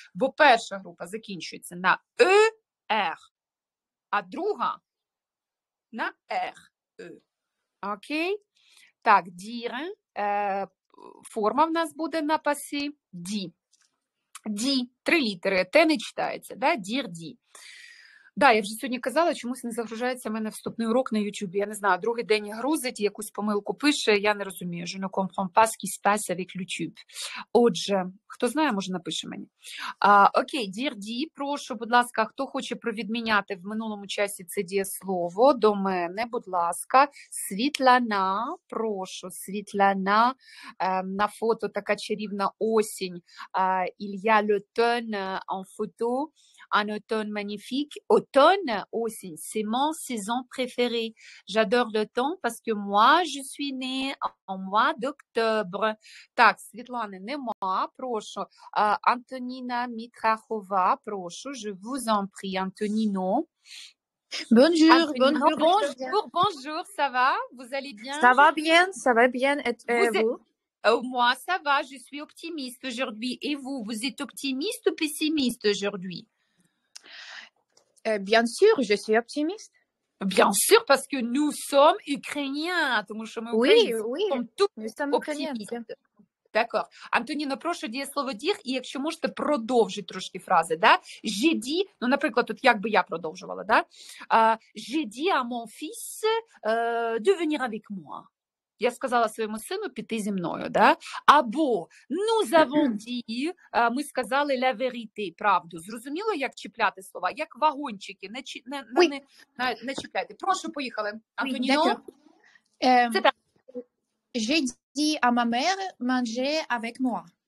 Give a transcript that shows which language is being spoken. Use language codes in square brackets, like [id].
[uk] Бо перша група закінчується на er, а друга на re. Окей? Так, dire, форма в нас буде на пасі ді. Ді, три літери, те не читається, да? Дір, ді. Да, я вже сьогодні казала, чомусь не загружається в мене вступний урок на YouTube. Я не знаю, другий день грузить, якусь помилку пише, я не розумію. [fr] Je ne comprends pas ce qui se passe avec YouTube. [uk] Отже, хто знає, може напише мені. Окей, дір, ді, прошу, будь ласка, хто хоче провідміняти в минулому часі це дієслово, до мене, будь ласка. Світлана, прошу, Світлана, на фото така чарівна осінь. [fr] Il y a l'automne en photo. Un automne magnifique. Automne aussi, c'est mon saison préférée. J'adore l'automne parce que moi, je suis née en mois d'octobre. [uk] Так, Світлана, нема, прошу. Антоніна Мітрахова, прошу. [fr] Je vous en prie, Антоніно. Bonjour, bonjour, bonjour, bonjour, ça va? Vous allez bien? Ça va bien, et vous? Moi, ça va, je suis optimiste aujourd'hui. Et vous, vous êtes optimiste ou pessimiste aujourd'hui? Bien sûr, je suis optimiste. Bien sûr, parce que nous sommes ukrainiens. Donc, nous sommes oui, ukrainiens. Oui, nous sommes ukrainiens. D'accord. [uk] Антоніно, прошу дієслово «дір», і якщо можете, продовжити трошки фрази, да? [fr] «Je dis», [uk] ну, наприклад, тут як би я продовжувала, да? [fr] «Je dis à mon fils de venir avec moi». [uk] Я сказала своєму сину піти зі мною, да? Або [fr] «nous avons dit», [uk] ми сказали [fr] «la vérité», [uk] правду. Зрозуміло, як чіпляти слова? Як вагончики, не чіпляйте. Прошу, поїхали. Антоніно? Це так. [fr] «Je dis à ma mère manger avec moi».